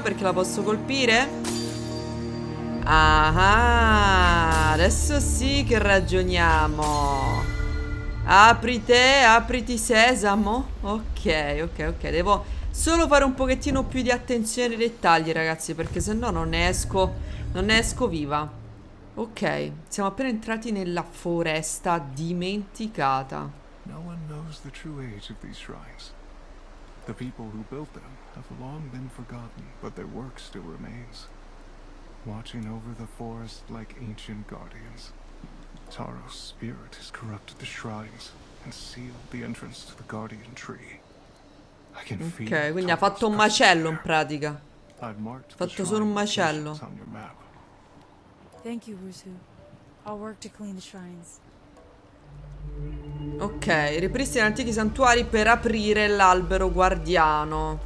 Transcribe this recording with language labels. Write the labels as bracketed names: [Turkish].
[Italian] Perché la posso colpire? Ah, adesso sì che ragioniamo. Apriti sesamo. Ok. Devo solo fare un pochettino più di attenzione ai dettagli, ragazzi, perché sennò non ne esco viva. Ok, siamo appena entrati nella foresta dimenticata. [English] No one knows the true age of these shrines. The people who built them have long been forgotten, but their work still remains. Watching over the forest like ancient guardians. Taro's spirit has corrupted the shrines and sealed the entrance to the guardian tree. I can feel. [Italian] Ok, quindi ha fatto un macello in pratica. Ha fatto solo un macello. [English] Thank you, [Italian] Rusu. [English] I'll work to clean the shrines. [Italian] Ok, ripristina antichi santuari per aprire l'albero guardiano.